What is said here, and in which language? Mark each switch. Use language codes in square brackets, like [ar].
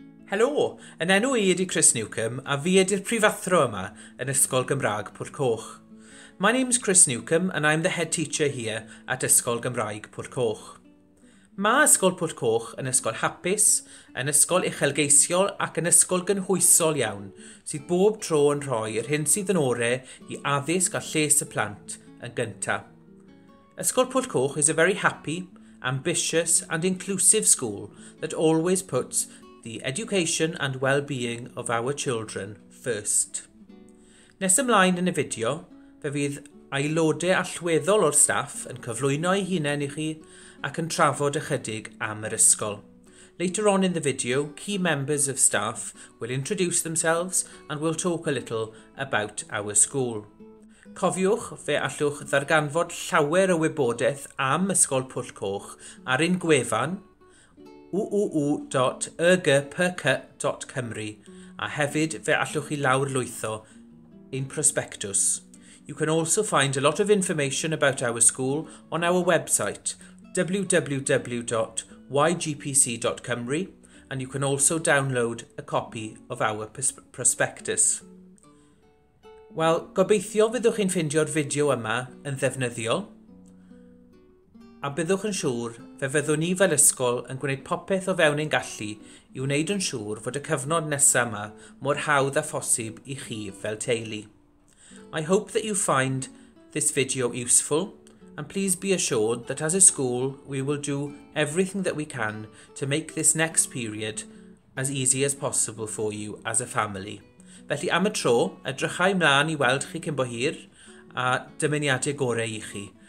[cy] Helo, yn enw i ydy Chris Newcomb a fi ydy'r prifathro yma yn Ysgol Gymraeg Pwllcoch. [en] My name's Chris Newcomb and I'm the head teacher here at Ysgol Gymraeg Pwllcoch. [cy] Mae Ysgol Pwllcoch yn ysgol hapus, yn ysgol uchelgeisiol ac yn ysgol gynhwysol iawn sydd bob tro yn rhoi yr hyn sydd yn orau i addysg a lles y plant yn gynta. [en] Ysgol Pwllcoch is a very happy, ambitious and inclusive school that always puts the education and well-being of our children first. [cy] Nes ymlaen yn y fideo, fe fydd aelodau allweddol o'r staff yn cyflwyno eu hunain i chi ac yn trafod ychydig am yr ysgol. [en] Later on in the video, key members of staff will introduce themselves and will talk a little about our school. [cy] Cofiwch fe allwch ddarganfod llawer o wybodaeth am Ysgol Pwllcoch ar ein gwefan www.ygpc.cymru a hefyd fe allwch chi lawr lwytho ein prospectus. [en] You can also find a lot of information about our school on our website www.ygpc.cymru and you can also download a copy of our prospectus. [cy] Wel, gobeithio fyddwch chi'n ffeindio'r fideo yma yn ddefnyddiol a byddwch yn siŵr fe fyddwn ni fel ysgol yn gwneud popeth o fewn ein gallu i wneud yn siŵr fod y cyfnod nesaf yma mor hawdd a phosib i chi fel teulu. [en] I hope that you find this video useful and please be assured that as a school we will do everything that we can to make this next period as easy as possible for you as a family. [cy] Felly am y tro, edrychai mlaen i weld chi cyn bo hir a dymuniadau gorau i chi.